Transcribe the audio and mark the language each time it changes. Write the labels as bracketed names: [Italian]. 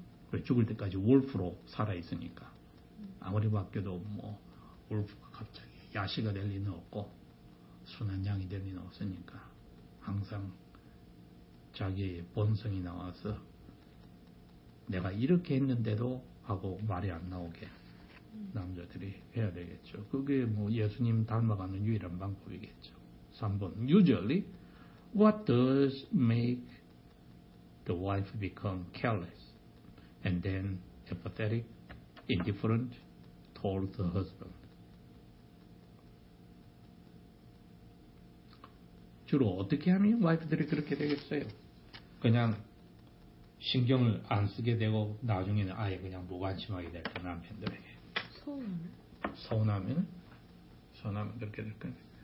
[Korean] 그리고 죽을 때까지 울프로 살아있으니까. 아무리 바뀌어도 뭐 울프가 갑자기 야시가 될 리는 없고 순한 양이 될 리는 없으니까 항상 자기의 본성이 나와서 내가 이렇게 했는데도 하고 말이 안 나오게 남자들이 해야 되겠죠. 그게 뭐 예수님 닮아가는 유일한 방법이겠죠. 3번. [English] Usually, what does make the wife become careless and then apathetic, indifferent toward the husband? [Korean] 주로 어떻게 하면 와이프들이 그렇게 되겠어요? 그냥 신경을 안 쓰게 되고 나중에는 아예 그냥 무관심하게 될 거 남편들에게. 서운하면? 서운하면 그렇게 될 거예요.